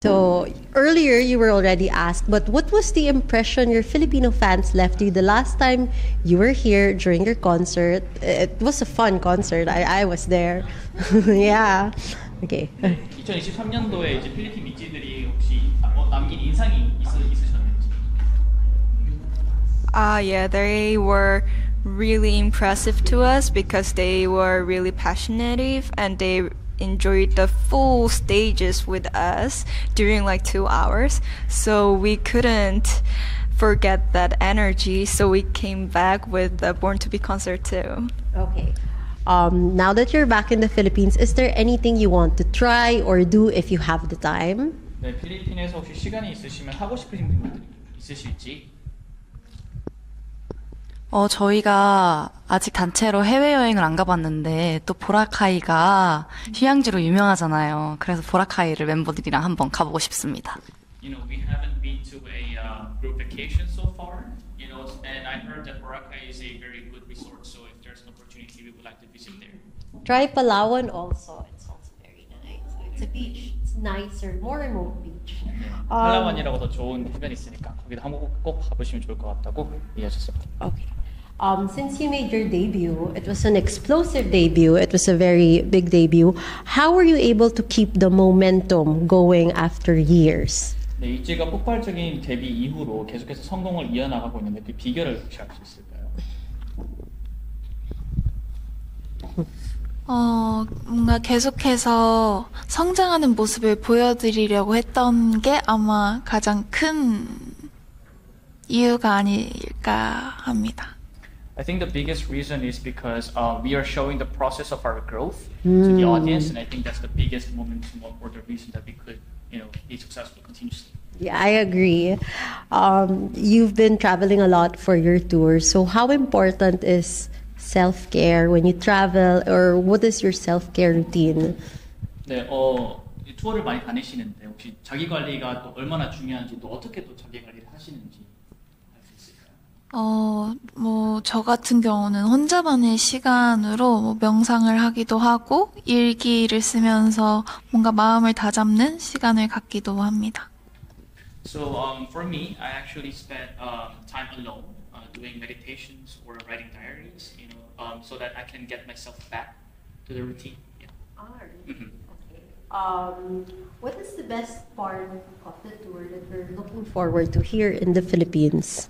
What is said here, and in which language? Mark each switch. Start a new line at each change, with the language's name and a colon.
English: So earlier you were already asked, but what was the impression your Filipino fans left you the last time you were here during your concert? It was a fun concert. I was there. Yeah. Okay.
Korean: 2023년도에 이제 필리핀 이지들이 혹시 남긴 인상이 있으셨는지?
English: Ah, yeah, they were really impressive to us because they were really passionate and they enjoyed the full stages with us during like 2 hours, so we couldn't forget that energy, so we came back with the Born to Be concert too. Okay, now that you're back in the Philippines, is there anything you want to try or do if you have the time?
Korean: 네, 필리핀에서 혹시 시간이 있으시면 하고 싶으신 것들이 있으실지? 저희가 아직 단체로 해외여행을 안 가봤는데 또 보라카이가 휴양지로 유명하잖아요. 그래서 보라카이를 멤버들이랑 한번 가보고 싶습니다.
English: You know, we haven't been to a group vacation so far. You know, and I heard that Boracay is a very good resort. So if there's an opportunity, we would like to visit there. Try Palawan also. It's also very nice. It's a beach. It's nicer, more remote beach.
Korean: 팔라완이라고 더 좋은 해변이 있으니까 거기도 한번 꼭 가보시면 좋을 것 같다고 이해하셨습니다.
English: Okay. Since you made your debut, it was an explosive debut. It was a very big debut. How were you able to keep the momentum going after years?
Korean: 네, 이지가 폭발적인 데뷔 이후로 계속해서 성공을 이어나가고 있는데 그 비결을 혹시 알 수 있을까요? 뭔가 계속해서 성장하는 모습을 보여드리려고 했던 게 아마 가장 큰 이유가 아닐까 합니다.
English: I think the biggest reason is because we are showing the process of our growth to the audience, and I think that's the biggest momentum or the reason that we could, you know, be successful continuously. Yeah, I agree. You've been traveling a lot for your tour, so how important is self-care when you travel, or what is your self-care routine?
Korean: 네, 투어를 많이 다니시는데 혹시 자기 관리가 또 얼마나 중요한지 또 어떻게 또 자기 관리를 하시는지 알 수 있을까요? 뭐 저 같은 경우는 혼자만의 시간으로 뭐 명상을 하기도 하고 일기를 쓰면서 뭔가 마음을 다잡는 시간을 갖기도 합니다.
English: So for me, I actually spend time alone. Doing meditations or writing diaries, you know, so that I can get myself back to the routine. Yeah. Alright. Okay. What is the best part of the tour that you're looking forward to here in the Philippines?